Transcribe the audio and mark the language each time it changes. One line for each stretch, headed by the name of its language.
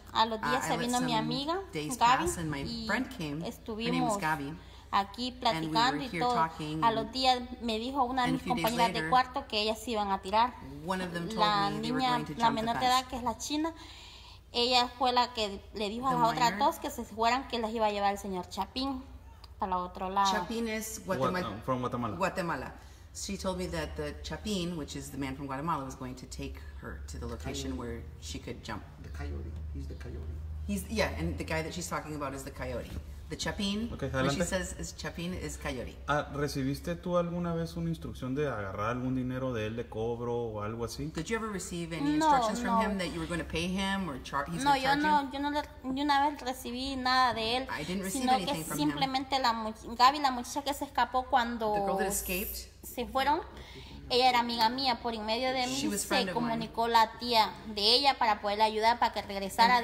Spanish: A los días se vino mi amiga, Gaby, y estuvimos aquí platicando y todo. A los días me dijo una de mis compañeras de cuarto que ellas se iban a tirar. La niña, la menor de edad, que es la china, ella fue la que le dijo a otras dos que se fueran, que las iba a llevar el señor Chapín para el otro lado. Chapín es
English: from Guatemala. Guatemala. She told me that the Chapín, which is the man from Guatemala, was going to take her to the location where she could jump. The coyote. He's the coyote. Yeah, and the guy that she's talking about is the coyote. The Chapín, okay, which she says is Chapín, is coyote.
Spanish: ¿Recibiste tú alguna vez una instrucción de agarrar algún dinero de él, de cobro o algo así?
English: Did you ever receive any instructions from him that you were going to pay him or charge him?
Spanish: No, yo no, yo una vez recibí nada de él.
English: I didn't receive anything from him.
Spanish: Sino que simplemente la muchacha que se escapó cuando
English: the girl that escaped,
Spanish: se fueron, ella era amiga mía, por en medio de mí se comunicó la tía de ella para poderle ayudar para que regresara